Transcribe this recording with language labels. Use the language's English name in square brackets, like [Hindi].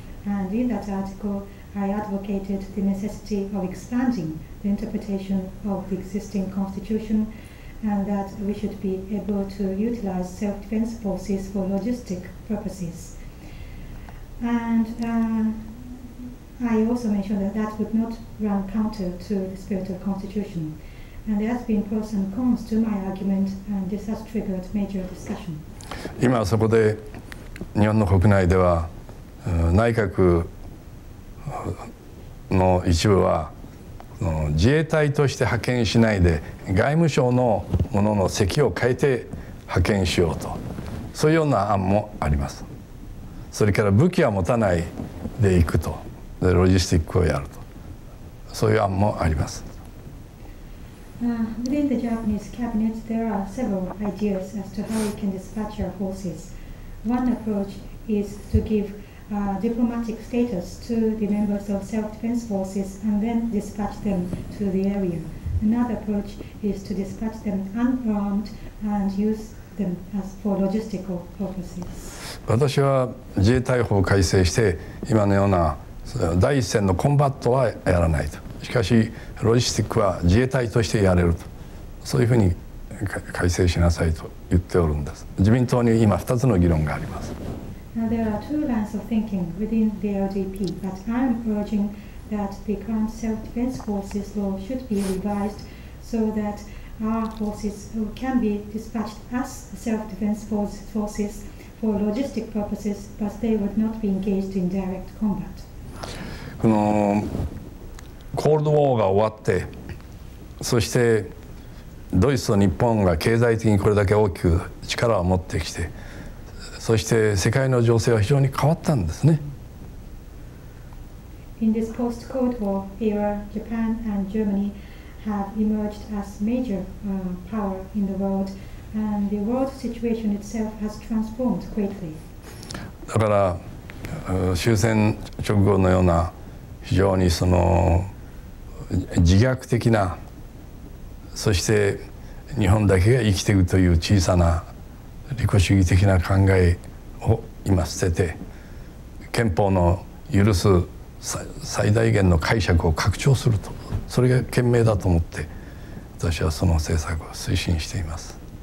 [English] And in that article, I advocated the necessity of expanding the interpretation of the existing constitution and that we should be able to utilize self-defense forces for logistic purposes. And I also mentioned that that would not run counter to the spirit of the constitution. And there has been pros and cons to my argument, and this has triggered major discussion. [Japanese] 今そこで日本の国内では内閣の一部は自衛隊として派遣しないで外務省のものの席を変えて派遣しようと、そういうような案もあります。それから武器は持たないで行くと、でロジスティックをやると、そういう案もあります。 [English] Within the Japanese cabinet, there are several ideas as to how we can dispatch our forces. One approach is to give diplomatic status to the members of self-defense forces and then dispatch them to the area. Another approach is to dispatch them unarmed and use them as for logistical purposes. [Japanese] 私は自衛隊法を改正して今のような第一線のコンバットはやらないと。しかしロジスティックは自衛隊としてやれると、そういうふうに改正しなさいと言っておるんです。自民党に今2つの議論があります。 [English] Now, there are two lines of thinking within the LDP, but I'm urging that the current self-defense forces law should be revised so that our forces can be dispatched as self-defense forces for logistic purposes, but they would not be engaged in direct combat. [Japanese] このコールドウォーが終わって、そしてドイツと日本が経済的にこれだけ大きく力を持ってきて、そして世界の情勢は非常に変わったんですね。 [English] In this post-Cold War era, Japan and Germany have emerged as major power in the world, and the world situation itself has transformed greatly. [Japanese] だから終戦直後のような非常にその自虐的な、そして日本だけが生きているという小さな利己主義的な考えを今捨てて、憲法の許す最大限の解釈を拡張すると、それが賢明だと思って私はその政策を推進しています。